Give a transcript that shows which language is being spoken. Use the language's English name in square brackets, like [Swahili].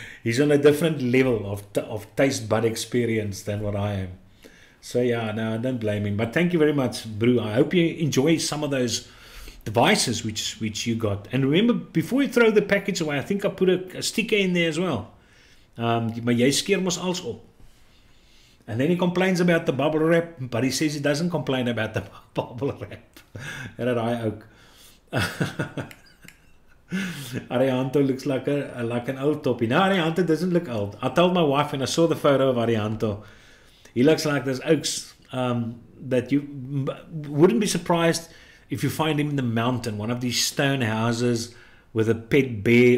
[English] He's on a different level of taste bud experience than what I am. So yeah, no, don't blame him. But thank you very much, brew. I hope you enjoy some of those devices which you got. And remember, before you throw the package away, I think I put a sticker in there as well. [Afrikaans] Maar jy skeer mos alles op. [English] And then he complains about the bubble wrap, but he says he doesn't complain about the bubble wrap. [Afrikaans] En dat hy ook. [English] Arianto looks like an old toppie. No, Arianto doesn't look old. I told my wife when I saw the photo of Arianto, he looks like those oaks that you wouldn't be surprised if you find him in the mountain, one of these stone houses with a pet bear.